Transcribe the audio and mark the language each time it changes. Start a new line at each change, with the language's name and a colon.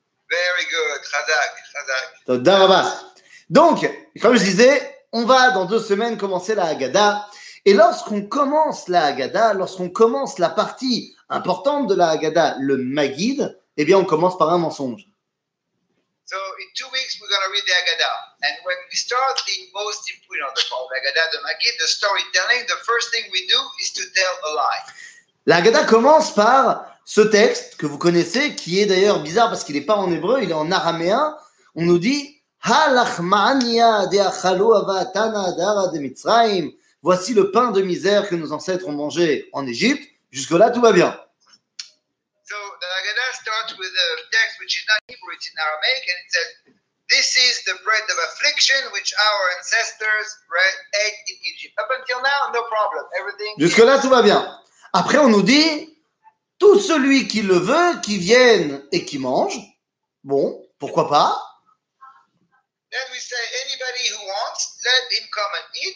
English: Very good. Khadak. Daraba.
French: Donc, comme je disais, on va dans 2 semaines commencer la Haggadah. Et lorsqu'on commence la Haggadah, lorsqu'on commence la partie importante de la Haggadah, le Maggid, eh bien, on commence par un mensonge.
English: So, in 2 weeks, we're going to read the Haggadah. And when we start the most important part of the Haggadah, the Maggid, the storytelling, the first thing we do is to tell a lie.
French: La Haggadah commence par ce texte que vous connaissez, qui est d'ailleurs bizarre parce qu'il n'est pas en hébreu, il est en araméen. On nous dit «
Aramaic: Halachmania de'achalo avatana dara de Mitzrayim
French: » Voici le pain de misère que nos ancêtres ont mangé en Égypte. Jusque-là, tout va bien.
English: So, the Haggadah starts with a text which is not Hebrew, it's in Aramaic, and it says, this is the bread of affliction which our ancestors ate in Egypt. Up until now, no problem. Everything.
French: Jusque-là, tout va bien. Après, on nous dit, tout celui qui le veut, qui vienne et qui mange, bon, pourquoi pas?
English: Then we say, anybody who wants, let him come and eat.